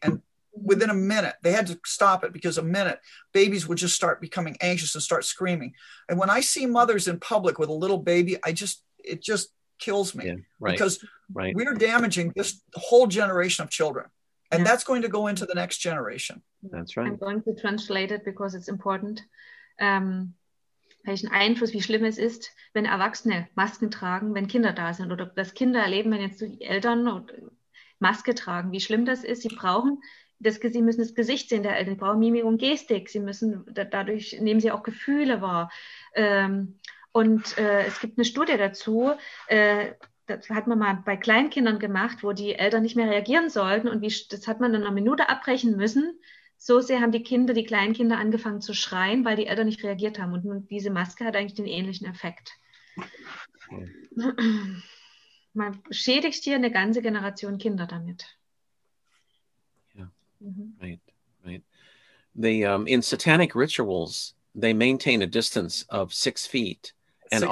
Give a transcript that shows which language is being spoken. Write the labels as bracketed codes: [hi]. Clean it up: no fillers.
[en] And within a minute, they had to stop it because a minute, babies would just start becoming anxious and start screaming. And when I see mothers in public with a little baby, it just kills me. Yeah, right, because right. we're damaging this whole generation of children. And that's going to go into the next generation. That's right. I'm going to translate it because it's important. [de] Welchen Einfluss, wie schlimm es ist, wenn Erwachsene Masken tragen, wenn Kinder da sind oder das Kinder erleben, wenn jetzt die Eltern Maske tragen, wie schlimm das ist. Sie brauchen das, Sie müssen das Gesicht sehen der Eltern, Sie brauchen Mimik und Gestik. Sie müssen, dadurch nehmen Sie auch Gefühle wahr. Es gibt eine Studie dazu, das hat man mal bei Kleinkindern gemacht, wo die Eltern nicht mehr reagieren sollten und das hat man in einer Minute abbrechen müssen. So sehr haben die Kleinkinder angefangen zu schreien, weil die Eltern nicht reagiert haben. Und diese Maske hat eigentlich den ähnlichen Effekt. Man schädigt hier eine ganze Generation Kinder damit. [en] In satanic rituals, they maintain a distance of 6 feet and